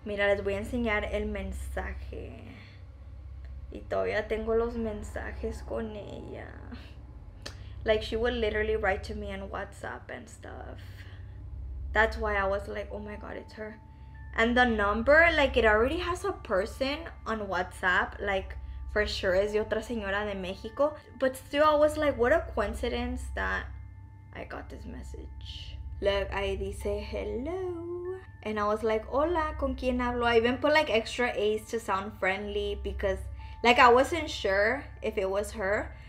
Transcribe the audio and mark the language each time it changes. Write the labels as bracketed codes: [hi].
[es] Mira, les voy a enseñar el mensaje. Y todavía tengo los mensajes con ella. [en] Like, she would literally write to me on WhatsApp and stuff. That's why I was like, oh my God, it's her. And the number, like, it already has a person on WhatsApp. Like, for sure, [es] es de otra señora de México. [en] But still, I was like, what a coincidence that I got this message. Look, [es] ahí dice [en] hello. And I was like, [es] hola, ¿con quién hablo? [en] I even put like extra A's to sound friendly because, like, I wasn't sure if it was her.